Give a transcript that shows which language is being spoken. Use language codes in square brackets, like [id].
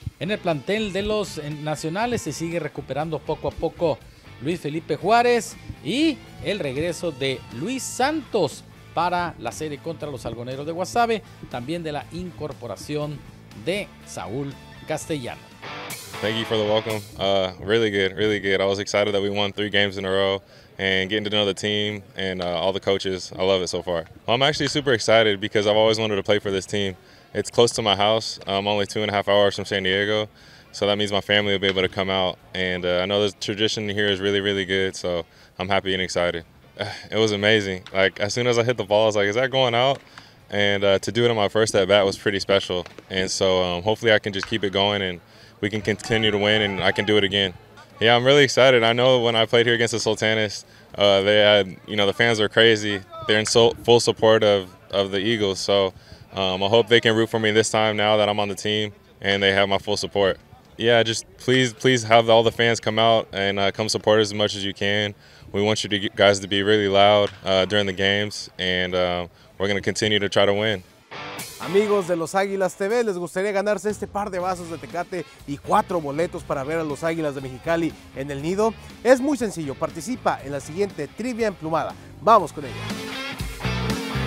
[es] En el plantel de los nacionales se sigue recuperando poco a poco Luis Felipe Juárez y el regreso de Luis Santos para la serie contra los Algodoneros de Guasave, también de la incorporación de Saúl Castellano. [en] Thank you for the welcome. Really good. I was excited that we won 3 games in a row. And getting to know the team and all the coaches, I love it so far. Well, I'm actually super excited because I've always wanted to play for this team. It's close to my house. I'm only 2.5 hours from San Diego. So that means my family will be able to come out. And I know the tradition here is really, really good. So I'm happy and excited. It was amazing. Like, as soon as I hit the ball, I was like, is that going out? And to do it on my first at bat was pretty special. And so hopefully I can just keep it going and we can continue to win and I can do it again. Yeah, I'm really excited. I know when I played here against the Sultanes, they had, you know, the fans are crazy. They're in full support of the Eagles. So I hope they can root for me this time now that I'm on the team and they have my full support. Yeah, just please have all the fans come out and come support as much as you can. We want you guys to be really loud during the games and we're going to continue to try to win. [es] Amigos de los Águilas TV, les gustaría ganarse este par de vasos de Tecate y 4 boletos para ver a los Águilas de Mexicali en el Nido. Es muy sencillo, participa en la siguiente trivia emplumada. Vamos con ella.